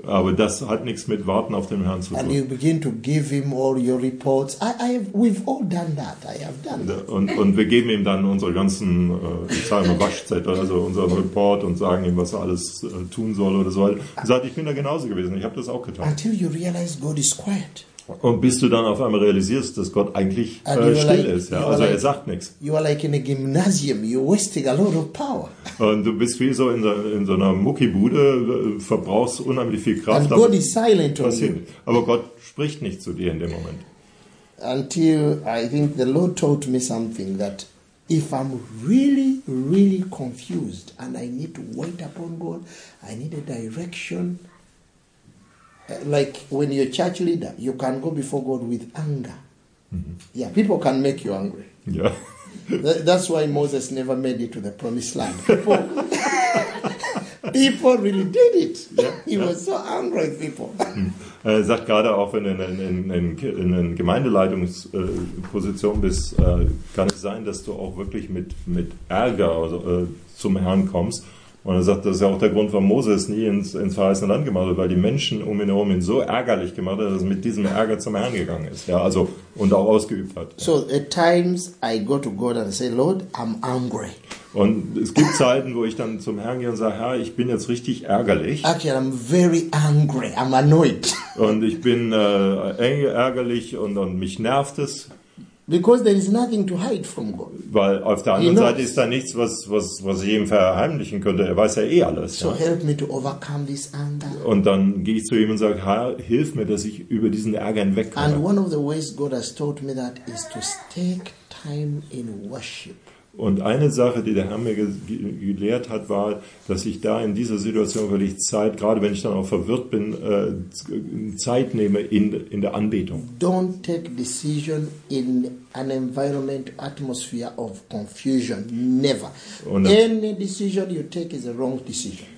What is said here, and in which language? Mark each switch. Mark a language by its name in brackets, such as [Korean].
[German] Aber das hat nichts mit Warten auf den Herrn zu tun. [English] And you begin to give him all your reports. We've all done that. I have done that. [German] Und wir geben ihm dann unsere ganzen Waschzettel, also unseren Report und sagen ihm, was er alles tun soll oder so. Und sagt, ich bin da genauso gewesen. Ich habe das auch getan. [English] Until you realize God is quiet. [German] Und bis du dann auf einmal realisierst, dass Gott eigentlich still ist. Ja? Also er sagt nichts. [English] You are like in a gymnasium. You're wasting a lot of power. [German] Und du bist wie so in so einer Muckibude, verbrauchst unheimlich viel Kraft. [English] And God is silent on you. [German] Aber Gott spricht nicht zu dir in dem Moment. [English] Until I think the Lord taught me something that if I'm really, really confused and I need to wait upon God, I need a direction. Like when you're a church leader, you can go before God with anger. Mm-hmm. Yeah, people can make you angry. Yeah. That's why Moses never made it to the promised land. People, people really did it. Yeah. He was so angry with people. [German] Er sagt gerade auch, wenn du in Gemeindeleitungsposition bist, kann es sein, dass du auch wirklich mit Ärger zum Herrn kommst. Und er sagt, das ist ja auch der Grund, warum Moses nie ins verheißene Land gemacht hat, weil die Menschen um ihn herum ihn so ärgerlich gemacht haben, dass er mit diesem Ärger zum Herrn gegangen ist. Ja, also, und auch ausgeübt hat. [English] So, at times I go to God and say, Lord, I'm angry. [German] Und es gibt Zeiten, wo ich dann zum Herrn gehe und sage, Herr, ich bin jetzt richtig ärgerlich. [English] Okay, I'm very angry, I'm annoyed. [German] Und ich bin ärgerlich und mich nervt es. [English] Because there is nothing to hide from God. [German] Weil auf der anderen Seite ist da nichts, was ich ihm verheimlichen könnte. Er weiß ja eh alles. [English] So [German] ja. [English] Help me to overcome this anger. [German] Und dann gehe ich zu ihm und sage, Herr, hilf mir, dass ich über diesen Ärger hinwegkomme. [English] And one of the ways God has taught me that is to take time in worship. [German] Und eine Sache, die der Herr mir gelehrt hat, war, dass ich da in dieser Situation wirklich Zeit, gerade wenn ich dann auch verwirrt bin, Zeit nehme in der Anbetung. [English] Don't take decision in an environment atmosphere of confusion. Never. Any decision you take is a wrong decision.